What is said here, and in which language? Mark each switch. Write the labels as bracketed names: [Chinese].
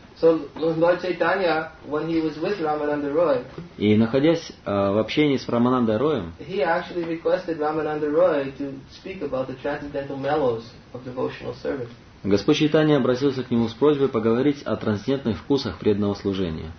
[English] So Lord Chaitanya, when he was with Ramananda Roy, [Russian] и находясь в общении с Рамананда Роем, [English] he actually requested Ramananda Roy to speak about the transcendental mellows of devotional service. [Russian] Господь Чайтанья обратился к нему с просьбой поговорить о трансцендентных вкусах преданного служения.